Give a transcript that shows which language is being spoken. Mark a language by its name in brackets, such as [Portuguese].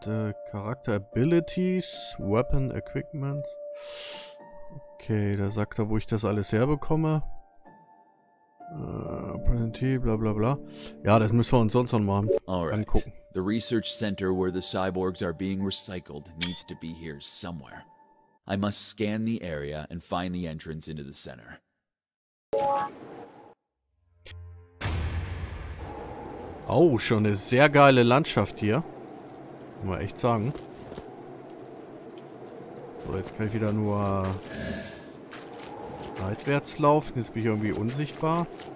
[English] The Character Abilities, Weapon Equipment. [German] Okay, da sagt er, wo ich das alles herbekomme. Apprentice, bla bla bla. Ja, das müssen wir uns sonst noch mal angucken. [English] Alright. The research center where the cyborgs are being recycled needs to be here somewhere. I must scan the area and find the entrance into the center. [German] Oh, schon eine sehr geile Landschaft hier. Muss man echt sagen. So, jetzt kann ich wieder nur seitwärts laufen. Jetzt bin ich irgendwie unsichtbar.